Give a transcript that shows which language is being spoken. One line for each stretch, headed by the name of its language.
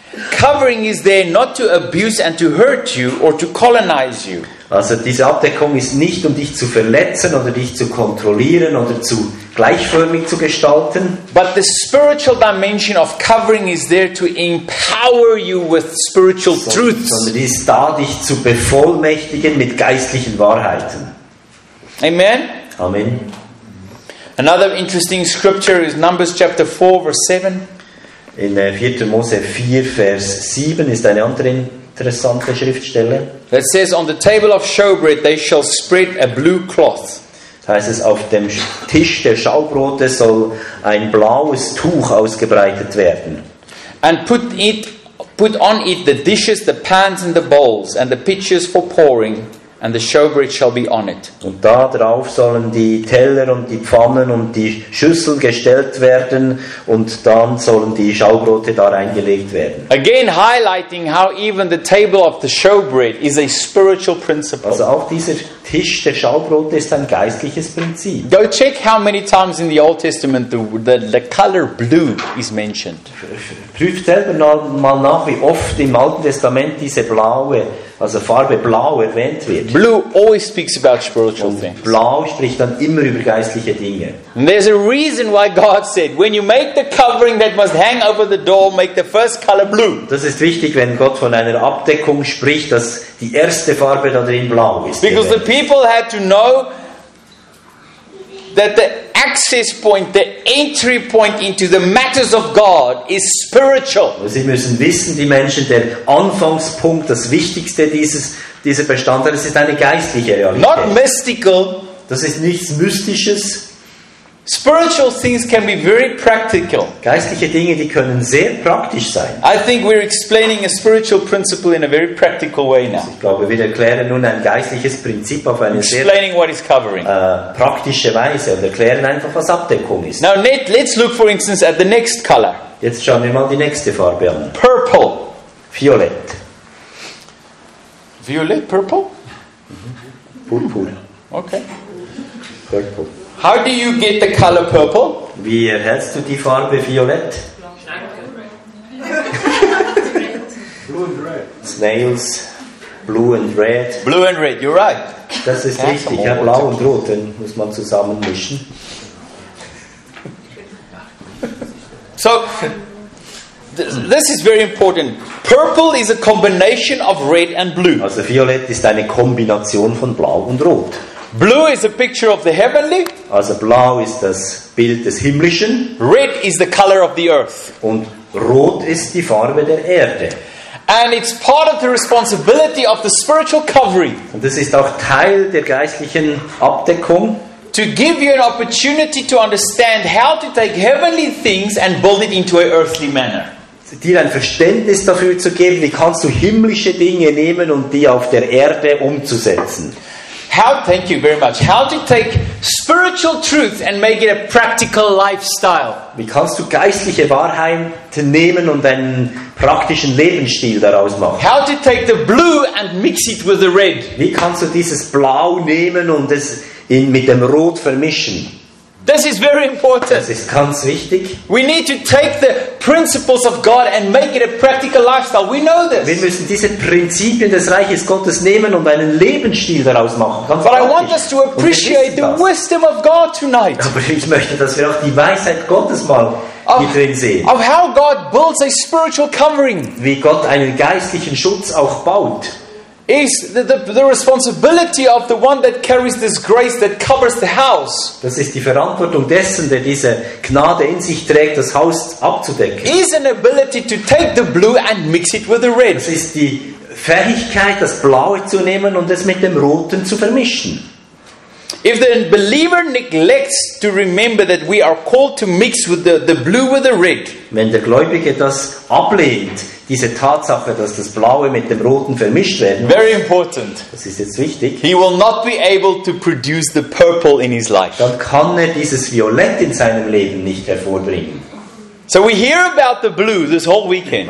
English: Covering is there not to abuse and to hurt you or to colonize you.
German: Also diese Abdeckung ist nicht, um dich zu verletzen oder dich zu kontrollieren oder zu gleichförmig zu gestalten.
English: But the spiritual dimension of covering is there to empower you with spiritual truths.
German: Sondern ist da, dich zu bevollmächtigen mit geistlichen Wahrheiten. Amen. Amen.
English: Another interesting scripture is Numbers chapter 4, verse 7.
German: In 4. Mose 4, Vers 7 ist eine andere interessante Schriftstelle.
English: It says, on the table of showbread they shall spread a blue cloth.
German: Das heißt es, auf dem Tisch der Schaubrote soll ein blaues Tuch ausgebreitet werden.
English: And put on it the dishes, the pans and the bowls and the pitchers for pouring, and the showbread shall be on it.
German: Und da drauf sollen die Teller und die Pfannen und die Schüsseln gestellt werden und dann sollen die Schaubrote da reingelegt werden.
English: Again highlighting how even the table of the showbread is a spiritual principle.
German: Also auch dieser Tisch der Schaubrote ist ein geistliches Prinzip.
English: Go check how many times in the Old Testament the color blue is mentioned.
German: Prüft selber mal nach, wie oft im Alten Testament diese blaue, also Farbe blau erwähnt wird.
English: Blue always speaks about spiritual things.
German: Blau spricht dann immer über geistliche Dinge.
English: And there's a reason why God said, when you make the covering that must hang over the door, make the first color blue.
German: Das ist wichtig, wenn Gott von einer Abdeckung spricht, dass die erste Farbe da drin blau ist.
English: Because the people had to know that the access point, the entry point into the matters of God is spiritual.
German: Sie müssen wissen, die Menschen, der Anfangspunkt, das Wichtigste dieser Bestandteil, das ist eine geistliche Realität.
English: Not mystical.
German: Das ist nichts Mystisches.
English: Spiritual things can be very practical.
German: Geistliche Dinge, die können sehr praktisch sein.
English: I think we're explaining a spiritual principle in a very practical way now.
German: Ich glaube, wir erklären nun ein geistliches Prinzip auf eine
English: explaining
German: sehr
English: what is covering.
German: Praktische Weise und erklären einfach, was Abdeckung ist.
English: Now let's look for instance at the next color.
German: Jetzt schauen wir mal die nächste Farbe an.
English: Purple.
German: Violett. Violett, purple? Purpur. Okay.
English: Purple. How do you get the color purple? Wie erhältst du die Farbe Violett? Blue and red. Snails, blue and red. Blue and red, you're right.
German: Das ist richtig, ja, blau und rot, den muss man zusammen mischen.
English: So, this is very important. Purple is a combination of red and blue.
German: Also Violett ist eine Kombination von blau und rot.
English: Blue is a picture of the heavenly.
German: Also blau ist das Bild des Himmlischen.
English: Red is the color of the earth.
German: Und rot ist die Farbe der Erde.
English: And it's part of the responsibility of the spiritual covering.
German: Und das ist auch Teil der geistlichen Abdeckung.
English: To give you an opportunity to understand how to take heavenly things and build it into an earthly manner.
German: Dir ein Verständnis dafür zu geben, wie kannst du himmlische Dinge nehmen und die auf der Erde umzusetzen.
English: Thank you very much. How to take spiritual truth and make it a practical lifestyle?
German: Wie kannst du geistliche Wahrheiten nehmen und einen praktischen Lebensstil daraus machen?
English: How to take the blue and mix it with the red?
German: Wie kannst du dieses Blau nehmen und es mit dem Rot vermischen?
English: This is very important.
German: Das ist ganz wichtig.
English: We need to take the principles of God and make it a practical lifestyle. We know this.
German: Wir müssen diese Prinzipien des Reiches Gottes nehmen und einen Lebensstil daraus machen. Ganz
English: But
German: praktisch.
English: I want us to appreciate the wisdom of God tonight.
German: Aber ich möchte, dass wir auch die Weisheit Gottes mal hier drin sehen.
English: Of how God builds a spiritual covering.
German: Wie Gott einen geistlichen Schutz auch baut.
English: Is the responsibility of the one that carries this grace that covers the house.
German: Das ist die Verantwortung dessen, der diese Gnade in sich trägt, das Haus abzudecken.
English: Is an ability to take the blue and mix it with the red.
German: Das ist die Fähigkeit, das Blaue zu nehmen und es mit dem Roten zu vermischen.
English: If the believer neglects to remember that we are called to mix with the blue with the red.
German: Wenn der Gläubige das ablehnt, diese Tatsache, dass das Blaue mit dem Roten vermischt werden muss,
English: very important.
German: Das ist jetzt wichtig.
English: He will not be able to produce the purple in his life.
German: Dann kann er dieses Violett in seinem Leben nicht hervorbringen.
English: So we hear about the blue this whole weekend.